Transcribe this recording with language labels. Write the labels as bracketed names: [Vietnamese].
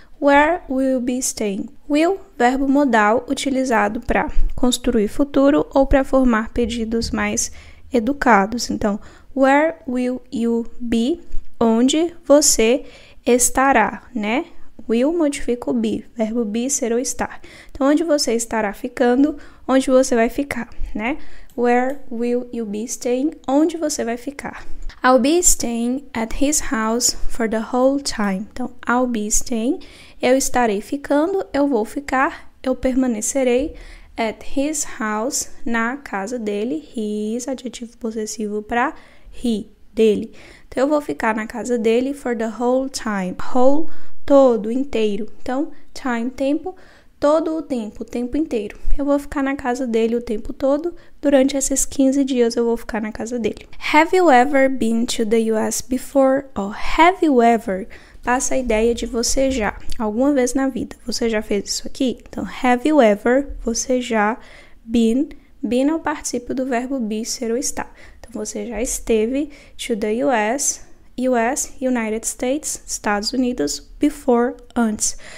[English] Where will you be staying? [Portuguese] Will, verbo modal utilizado para construir futuro ou para formar pedidos mais educados. Então, [English] where will you be? [Portuguese] Onde você estará, né? Will modifica o be, verbo be ser ou estar. Então, onde você estará ficando, onde você vai ficar, né? [English] Where will you be staying? [Portuguese] Onde você vai ficar? [English] I'll be staying at his house for the whole time. Então, I'll be staying. [Portuguese] Eu estarei ficando, eu vou ficar, eu permanecerei [English] at his house, [Portuguese] na casa dele. His, adjetivo possessivo para he, dele. Então, eu vou ficar na casa dele [English] for the whole time. [Portuguese] Whole, todo, inteiro. Então, time, tempo, todo o tempo inteiro. Eu vou ficar na casa dele o tempo todo, durante esses 15 dias eu vou ficar na casa dele. [English] Have you ever been to the US before? Ou have you ever? [Portuguese] Passa a ideia de você já, alguma vez na vida. Você já fez isso aqui? Então, [English] have you ever, [Portuguese] você já, been. Been é o participio do verbo be, ser ou estar. Então, você já esteve [English] to the US, [Portuguese] US, United States, Estados Unidos, before, antes.